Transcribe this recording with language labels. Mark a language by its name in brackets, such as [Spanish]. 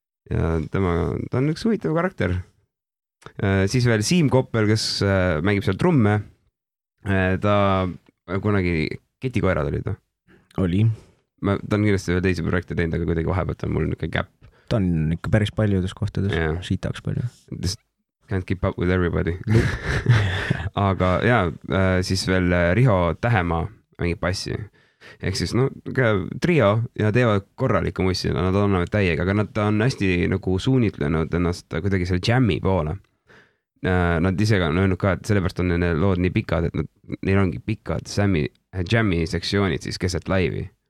[Estonian] Ja tema, ta on üks huvitav karakter. Siis veel Siim Koppel, kes mängib seal trumme. Ta kunagi ketikoerad oli ta. Oli. Ma, ta on kindlasti veel teisi projekte teinud, aga kuidagi vahepealt on mul nüüd gap. Ta on ikka päris paljudes kohtades, yeah. Siitaks palju. [English] Just can't keep up with everybody. [Estonian] Aga jah, siis veel Riho Tähema mängib passi. Ehk siis, no, trio ja teevad korraliku mussi, nad annavad täiega, aga nad on hästi nagu suunitlenud ennast kuidagi selle jammi poole. Nad ise ka on öelnud ka, et sellepärast on need lood nii pikad, et neil ongi pikad jammi seksioonid siis keset laivi.